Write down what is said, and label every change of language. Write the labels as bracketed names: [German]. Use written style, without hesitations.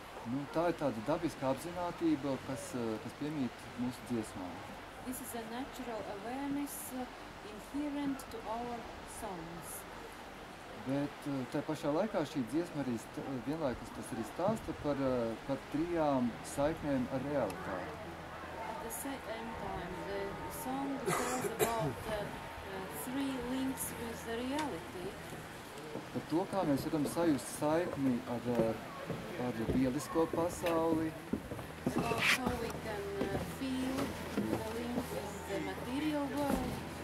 [Latvian] Nu, tā ir tāda dabiska apzinātība, kas piemīt mūsu dziesmā. [English] This is a natural awareness inherent to our songs. [Latvian] Bet tā pašā laikā šī dziesma arī vienlaikus tas arī stāsta par trijām saiknēm ar realitāti. [English] At the same time, the song tells about three links with the reality. [Latvian] Par to, kā mēs varam sajust saikni ar lielisko pasauli. [English] So we can feel the link with the material world.